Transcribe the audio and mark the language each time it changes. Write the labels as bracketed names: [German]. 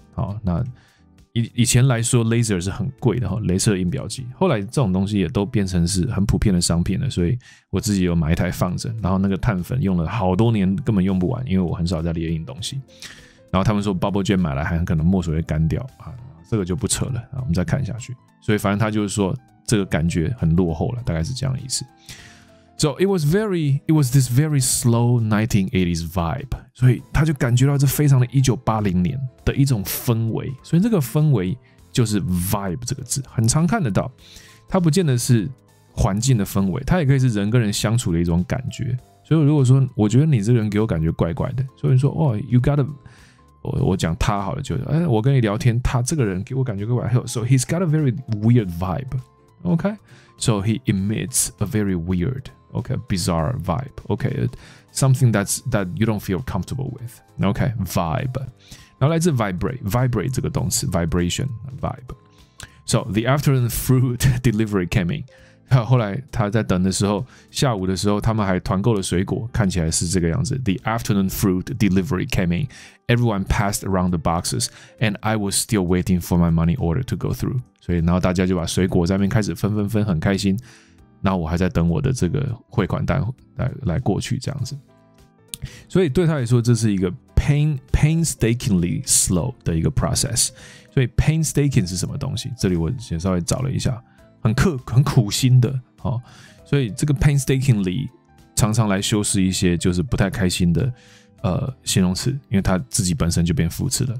[Chinese] 好，那以前来说 laser 是很贵的，雷射印表机，后来这种东西也都变成是很普遍的商品了，所以我自己有买一台放着，然后那个碳粉用了好多年根本用不完，因为我很少在列印东西，然后他们说 bubble jet 买来还可能墨水会干掉，这个就不扯了，我们再看下去。所以反正他就是说这个感觉很落后了，大概是这样的意思。 [English] So it was this very slow 1980s vibe. [Chinese] 所以他就感觉到这非常的1980年的一种氛围。所以这个氛围就是 vibe 这个字，很常看得到。它不见得是环境的氛围，它也可以是人跟人相处的一种感觉。所以如果说我觉得你这个人给我感觉怪怪的，所以说哦 ， [English] you got a， [Chinese] 我讲他好了，就是哎，我跟你聊天，他这个人给我感觉怪怪的。 [English] So he's got a very weird vibe. Okay, so he emits a very weird, okay, bizarre vibe. Okay, something that you don't feel comfortable with. Okay, vibe. [Chinese] 然后来自 [English] vibrate [Chinese] 这个动词 [English] vibration vibe. So the afternoon fruit delivery came in. [Chinese] 后来他在等的时候，下午的时候他们还团购了水果，看起来是这个样子。 [English] The afternoon fruit delivery came in. Everyone passed around the boxes and I was still waiting for my money order to go through. [Chinese] 所以然后大家就把水果在那边开始分很开心，那我还在等我的这个汇款单 来过去这样子。所以对他来说这是一个 [English] painstakingly slow [Chinese] 的一个 process. 所以 painstaking 是什么东西，这里我先稍微找了一下，很苦心的、哦、所以这个 painstakingly 常常来修饰一些就是不太开心的、形容词，因为它自己本身就变副词了。